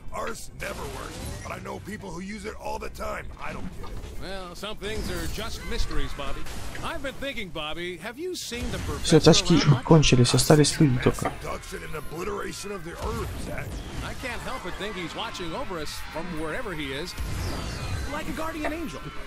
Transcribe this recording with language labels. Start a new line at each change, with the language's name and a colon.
English: Arse never works, but I know people who use it all the time. I don't get it. Well, some things are just mysteries, Bobby. I've been thinking, Bobby, have you seen the professor?
Russian: Все, тачки кончились, остались люди только.
English: Abduction and obliteration of the earth, Zach. I can't help but think he's watching over us from wherever he is, like a guardian angel.